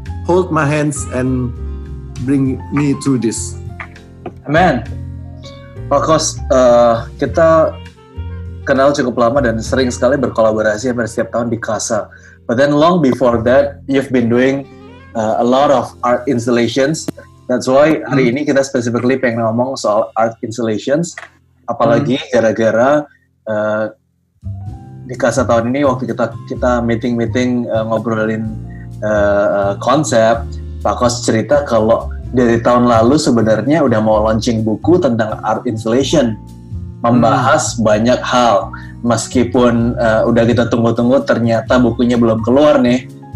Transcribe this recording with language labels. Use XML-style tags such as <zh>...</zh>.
<en>Hold my hands and bring me through this. Amen.</en> <id>Because kita kenal cukup lama dan sering sekali berkolaborasi hampir setiap tahun di Casa.</id> <en>But then long before that, you've been doing a lot of art installations. That's why</en> <id>hari ini kita specifically pengen ngomong soal art installations. Apalagi gara-gara di Casa tahun ini waktu kita meeting ngobrolin konsep, Pak Kos cerita kalau dari tahun lalu sebenarnya udah mau launching buku tentang art installation, membahas banyak hal, meskipun udah kita tunggu-tunggu ternyata bukunya belum keluar nih.</id>